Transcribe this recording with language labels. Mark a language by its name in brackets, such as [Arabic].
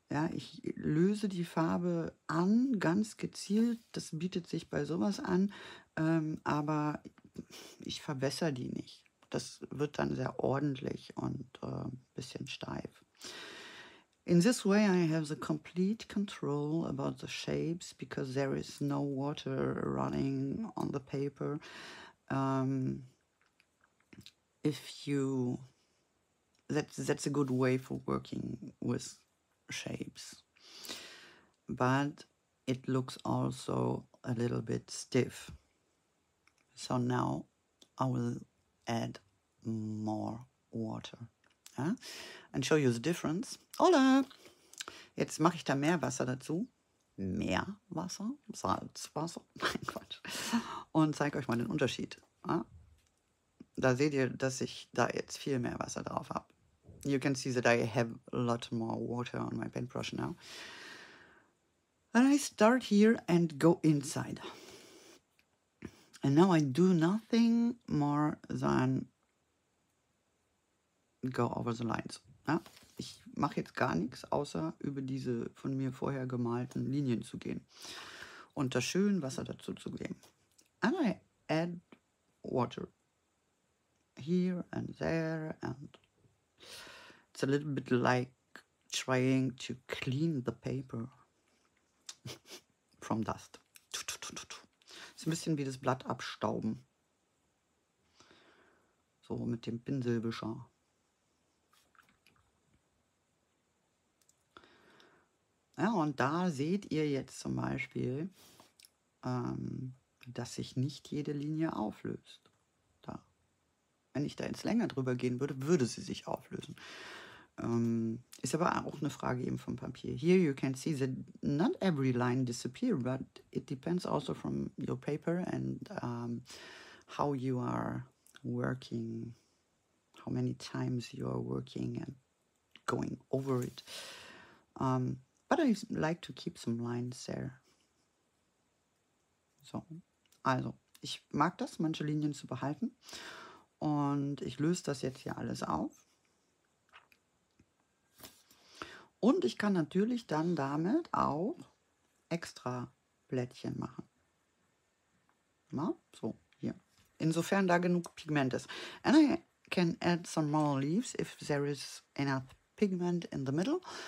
[German] Ja, ich löse die Farbe an, ganz gezielt. Das bietet sich bei sowas an. Aber ich verwässere die nicht. Das wird dann sehr ordentlich und ein bisschen steif. [English] In this way I have the complete control about the shapes because there is no water running on the paper. That's a good way for working with shapes. But it looks also a little bit stiff. So now I will add more water. Ja? And show you the difference. [German] Hola! Jetzt mache ich da mehr Wasser dazu. Mehr Wasser? Salzwasser? Mein Gott. Und zeige euch mal den Unterschied. Ja? Da seht ihr, dass ich da jetzt viel mehr Wasser drauf habe. [English] You can see that I have a lot more water on my paintbrush now. And I start here and go inside. And now I do nothing more than go over the lines. [German] Ja? Ich mache jetzt gar nichts, außer über diese von mir vorher gemalten Linien zu gehen. Und da schön Wasser dazu zu geben. [English] And I add water here and there and... It's a little bit like trying to clean the paper from dust. [German] Es ist ein bisschen wie das Blatt abstauben. So mit dem Pinselwischer. Ja, und da seht ihr jetzt zum Beispiel, dass sich nicht jede Linie auflöst. Da. Wenn ich da jetzt länger drüber gehen würde, würde sie sich auflösen. Ist aber auch eine Frage eben vom Papier. [English] Here you can see that not every line disappears, but it depends also from your paper and how you are working, how many times you are working and going over it. But I like to keep some lines there. [German] So, also, ich mag das, manche Linien zu behalten. Und ich löse das jetzt hier alles auf. Und ich kann natürlich dann damit auch extra Blättchen machen. Na, so, hier. Insofern da genug Pigment ist. [English] And I can add some more leaves if there is enough pigment in the middle.